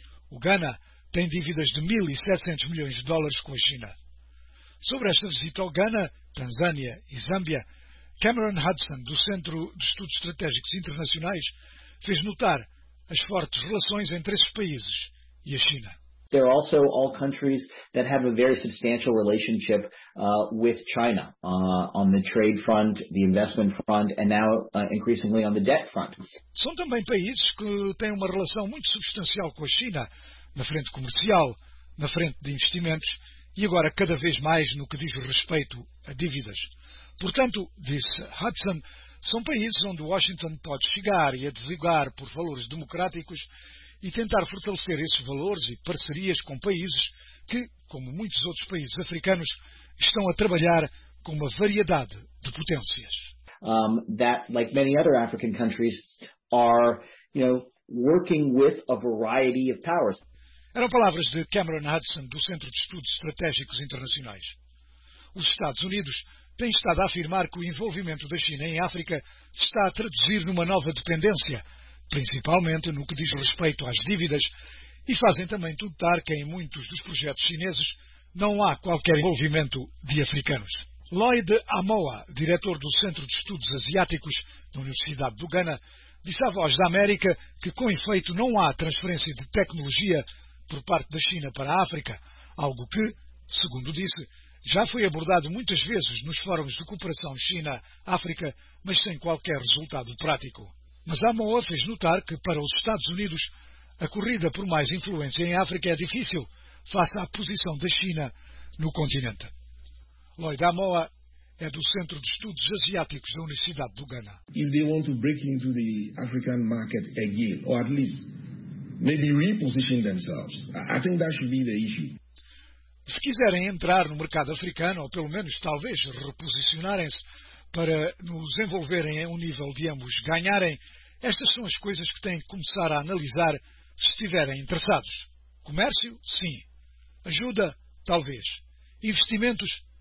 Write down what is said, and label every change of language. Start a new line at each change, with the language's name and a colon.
Portuguese: O Ghana tem dívidas de 1.700 milhões de dólares com a China. Sobre esta visita ao Ghana, Tanzânia e Zâmbia, Cameron Hudson, do Centro de Estudos Estratégicos Internacionais, fez notar as fortes relações entre esses países e a China.
English: They're also all countries that have a very substantial relationship with China on the trade front, the investment front, and now increasingly on the debt front.
Portuguese: São também países que têm uma relação muito substancial com a China, na frente comercial, na frente de investimentos e agora cada vez mais no que diz respeito a dívidas. Portanto, disse Hudson, são países onde Washington pode chegar e advogar por valores democráticos e tentar fortalecer esses valores e parcerias com países que, como muitos outros países africanos, estão a trabalhar com uma variedade de potências. That, like many other African countries, are, you know, working with a variety of powers. Eram palavras de Cameron Hudson, do Centro de Estudos Estratégicos Internacionais. Os Estados Unidos têm estado a afirmar que o envolvimento da China em África está a traduzir numa nova dependência, principalmente no que diz respeito às dívidas, e fazem também notar que em muitos dos projetos chineses não há qualquer envolvimento de africanos. Lloyd Amoa, diretor do Centro de Estudos Asiáticos da Universidade do Ghana, disse à Voz da América que, com efeito, não há transferência de tecnologia por parte da China para a África, algo que, segundo disse, já foi abordado muitas vezes nos fóruns de cooperação China-África, mas sem qualquer resultado prático. Mas Amoa fez notar que, para os Estados Unidos, a corrida por mais influência em África é difícil face à posição da China no continente. Lloyd Amoa é do Centro de Estudos Asiáticos da Universidade do Ghana.
English: If they want to break into the African market again, or at least maybe reposition themselves, I think that should be the issue.
Portuguese: Se quiserem entrar no mercado africano, ou pelo menos talvez reposicionarem-se, para nos envolverem a um nível de ambos ganharem, estas são as coisas que têm que começar a analisar se estiverem interessados. Comércio? Sim. Ajuda? Talvez. Investimentos?